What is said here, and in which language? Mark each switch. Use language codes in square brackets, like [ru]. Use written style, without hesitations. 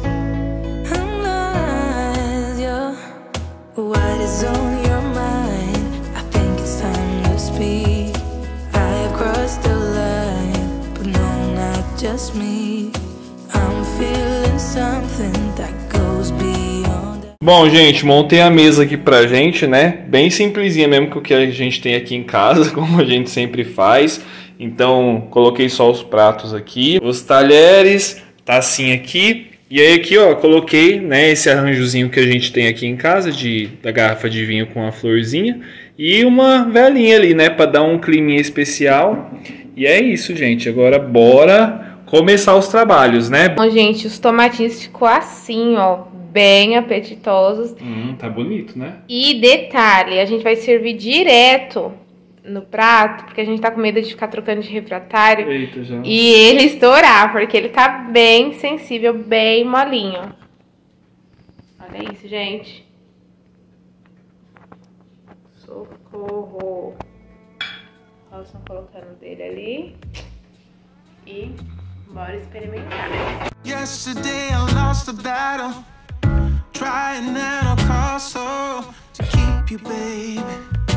[en] I'm lost, yo. What is on your mind? I think it's time to speak. I have crossed the line, but no, not just me. I'm feeling something that goes beyond. [pt] Bom, gente, montei a mesa aqui pra gente, né? Bem simplesinha mesmo com o que a gente tem aqui em casa, como a gente sempre faz. Então, coloquei só os pratos aqui, os talheres, tacinha aqui. E aí aqui, ó, coloquei, né, esse arranjozinho que a gente tem aqui em casa, da garrafa de vinho com a florzinha. E uma velinha ali, né, pra dar um climinha especial. E é isso, gente. Agora, bora começar os trabalhos, né? Bom, gente, os tomatinhos ficou assim, ó. bem apetitosos. Tá bonito, né? E detalhe, a gente vai servir direto no prato, porque a gente tá com medo de ficar trocando de refratário. Eita, já. E ele estourar, porque ele tá bem sensível, bem molinho. Olha isso, gente. Socorro. Nós estamos colocando dele ali. E bora experimentar. [en] Yesterday I lost the battle. Trying at all costs, oh, to keep you, baby.